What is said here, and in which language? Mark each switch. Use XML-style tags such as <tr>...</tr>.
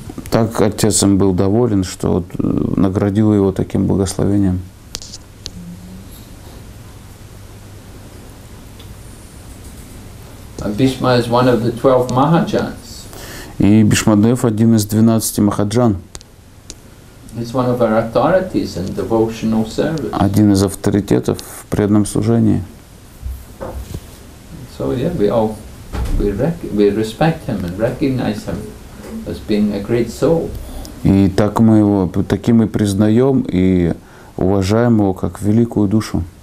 <ru>Так отец им был доволен, что вот наградил его таким благословением.</ru> <en>Bhishma is one of the 12 Mahajans.</en> <ru>И Бишмадев один из 12 Махаджан.</ru> <en>He's one of our authorities in devotional service.</en> <ru>Один из авторитетов в преданном служении.</ru> <en>So yeah, we respect him and recognize him as being a great soul.</en> <ru>И так мы его таким и признаем и уважаем его как великую душу.</ru>